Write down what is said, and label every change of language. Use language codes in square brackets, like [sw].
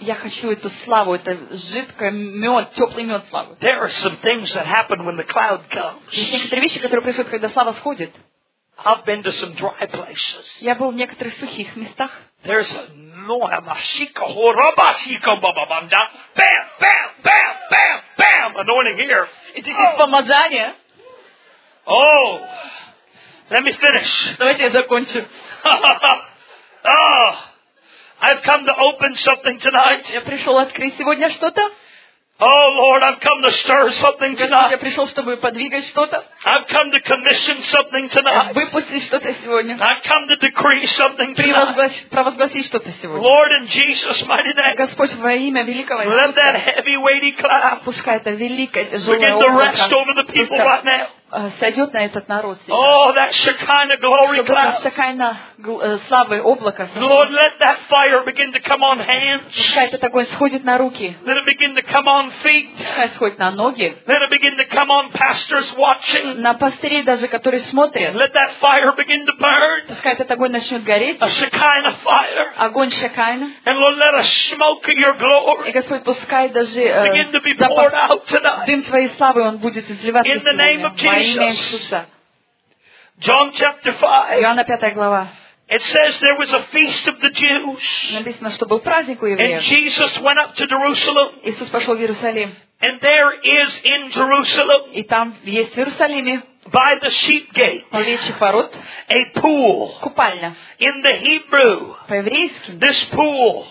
[ru] Я хочу эту славу, это жидкое мед, теплый мед славы. [en] There are some things that happen when the cloud comes. [ru] Есть некоторые вещи, которые происходят, когда слава сходит. [en] I've been to some dry places. [ru] Я был в некоторых сухих местах. There's a noamashika horabashika bababanda. [en] Bam, bam, bam, bam, bam. Anointing here. Is this помазание? Oh. Oh. Let me finish. [ru] Давайте я закончу. [en] Oh. I've come to open something tonight. [ru] Я пришел открыть сегодня что-то. [en] Oh Lord, I've come to stir something tonight. [ru] Я пришел, чтобы подвигать что-то. [en] I've come to commission something tonight. [ru] Выпустить что-то сегодня. [en] I've come to decree something tonight. [ru] Провозгласить что-то сегодня. [en] Lord, in Jesus' mighty name. [ru] Господь во имя великого [en] Иисуса. Let that heavy weighty cloud. [ru] Пускай это великое [en] begin to rest over the people right now. [ru] Сойдет на этот народ. [en] Oh, that Shekinah glory cloud. [ru] Чтобы Шекайна славы облака. [en] Lord, let that fire begin to come on hands. [ru] Пускай этот огонь сходит на руки. [en] Let it begin to come on feet. [ru] Пускай сходит на ноги. [en] Let it begin to come on pastors watching. [ru] На пастыри даже, которые смотрят. [en] Let that fire begin to burn. [ru] Пускай этот огонь начнет гореть. [en] A Shekinah fire. [ru] Огонь Шекайна. [en] And Lord, let a smoke of your glory. [ru] И Господь, пускай даже [en] begin to be poured out tonight. [ru] Дым своей славы он будет изливаться. [en] In the name of Jesus. John chapter 5. [ru] Иоанна 5 глава. [en] It says there was a feast of the Jews. [ru] Написано, что был праздник у евреев. [en] And Jesus went up to Jerusalem. [ru] Иисус пошел в Иерусалим. [en] And there is in Jerusalem. [ru] И там есть в Иерусалиме. [en] By the sheep gate. [ru] У овечьих ворот. [en] A pool. [ru] Купальня. [en] In the Hebrew. [ru] По-еврейски. [en] This pool.